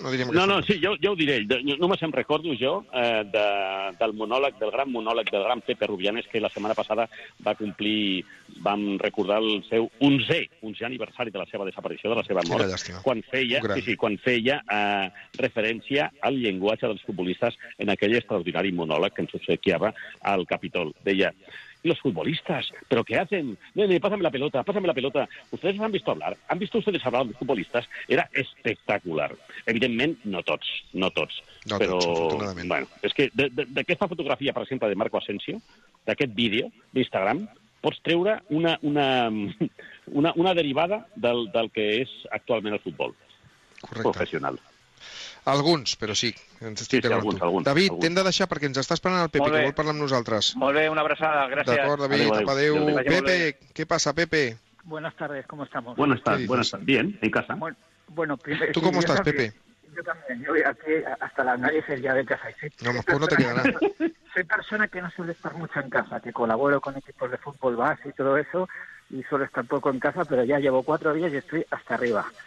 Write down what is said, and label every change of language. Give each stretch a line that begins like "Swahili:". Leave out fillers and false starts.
Catalan: Jo ho diré, no me se'n recordo jo del monòleg, del gran monòleg del gran Pepe Rubianes, que la setmana passada vam recordar el seu 11è aniversari de la seva desaparició, de la seva mort, quan feia referència al llenguatge dels futbolistes en aquell extraordinari monòleg que ens obsequiava al Capitol.
Spanish: Deia: los futbolistas, ¿pero qué hacen? Pásame la pelota. ¿Ustedes han visto hablar? ¿Han visto ustedes hablar de futbolistas?
Catalan: Era espectacular. Evidentment, no tots. No però, tots, bueno, és que d'aquesta fotografia, per exemple, de Marco Asensio, d'aquest vídeo d'Instagram, pots treure una derivada del que és actualment el futbol. Correcte. Professional. Alguns, però sí. Alguns. David, t'hem de deixar perquè ens està esperant el Pepe, que vol parlar amb nosaltres. Molt bé, una abraçada, gràcies. D'acord, David, adéu. Pepe, què passa, Pepe?
Spanish: Buenas tardes, ¿cómo estamos? Buenas tardes, bien, en casa. Bueno, primero... ¿Tú cómo estás, Pepe? Yo también, yo voy aquí hasta las narices ya de casa. No, mejor no te queda nada. Soy persona que no suele estar mucho en casa, que colaboro con equipos de fútbol base y todo eso, y suelo estar poco en casa, pero ya llevo 4 días y estoy hasta arriba.